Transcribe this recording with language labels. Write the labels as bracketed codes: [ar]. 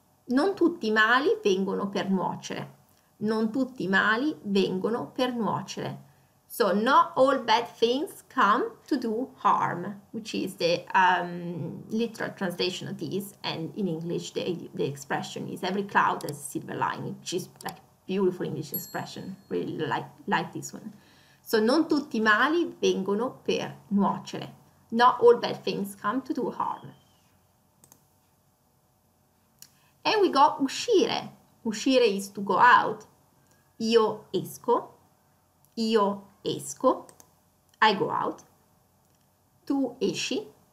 [it] Non tutti i mali vengono per nuocere. Non tutti i mali vengono per nuocere. [en] So not all bad things come to do harm, which is the literal translation of this, and in English the expression is every cloud has a silver lining, which is like a beautiful English expression, really like this one. [it] So non tutti i mali vengono per nuocere. [en] Not all bad things come to do harm. And we got uscire. Uscire is to go out. [it] Io esco. Io esco. [en] I go out. [it] Tu esci.